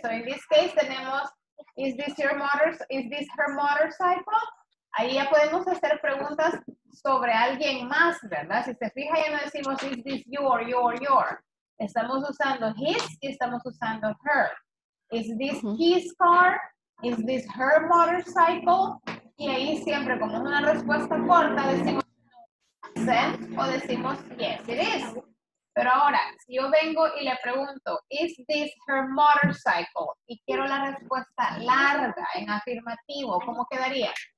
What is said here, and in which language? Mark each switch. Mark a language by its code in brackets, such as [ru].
[en] So in this case [es] tenemos, [en] is this her motorcycle? [es] Ahí ya podemos hacer preguntas sobre alguien más, ¿verdad? Si se fija ya no decimos, [en] is this your? [es] Estamos usando [en] his [es] y estamos usando [en] her. Is this his car? Is this her motorcycle? [es] Y ahí siempre, como es una respuesta corta, decimos no, o decimos [en] yes, it is. [es] Pero ahora, si yo vengo y le pregunto, [en] is this her motorcycle? [es] Y quiero la respuesta larga, en afirmativo, ¿cómo quedaría?